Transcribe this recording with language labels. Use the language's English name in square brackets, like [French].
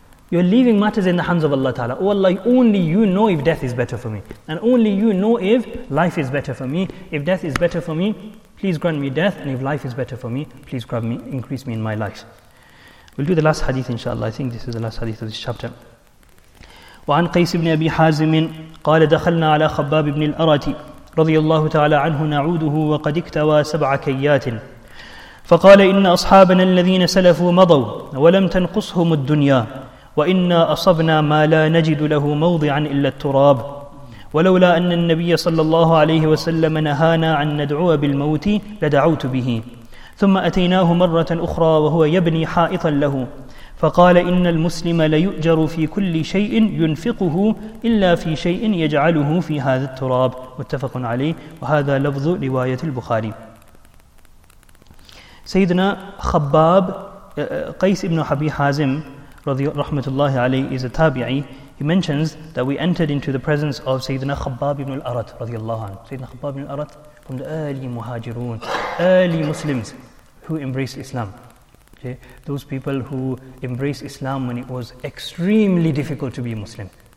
[English] You're leaving matters in the hands of Allah Ta'ala. Oh Allah, only you know if death is better for me. And only you know if life is better for me. If death is better for me, please grant me death. And if life is better for me, please grant me, increase me in my life. We'll do the last hadith inshaAllah. I think this is the last hadith of this chapter. [Arabic] وعن قيس بن أبي حازم قال دخلنا على خباب بن الأرت رضي الله تعالى عنه نعوده وقد اكتوى سبع كيات فقال إن أصحابنا الذين سلفوا مضوا ولم تنقصهم الدنيا وإنا أصبنا ما لا نجد له موضعا إلا التراب ولولا أن النبي صلى الله عليه وسلم نهانا عن ندعو بالموت لدعوت به ثم أتيناه مرة أخرى وهو يبني حائطا له فقال إن المسلم ليؤجر في كل شيء ينفقه إلا في شيء يجعله في هذا التراب متفق عليه وهذا لفظ رواية البخاري. سيدنا خباب قيس بن حبي حازم رحمة الله عليه [English] is a tabi'i. He mentions that we entered into the presence of سيدنا خباب بن الأرت [Arabic] رضي الله عنه. [English] سيدنا خباب بن الأرت from the early مهاجرون, early Muslims who embraced Islam. Okay. Those people who embraced Islam when it was extremely difficult to be Muslim.